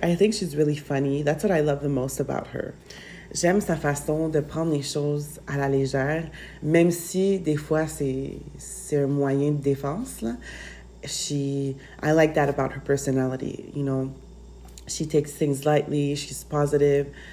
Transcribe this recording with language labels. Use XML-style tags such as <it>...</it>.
<en>I think she's really funny. That's what I love the most about her.</en> <fr>J'aime sa façon de prendre les choses à la légère, même si des fois c'est un moyen de défense, là.</fr> <en>I like that about her personality. She takes things lightly. She's positive.</en>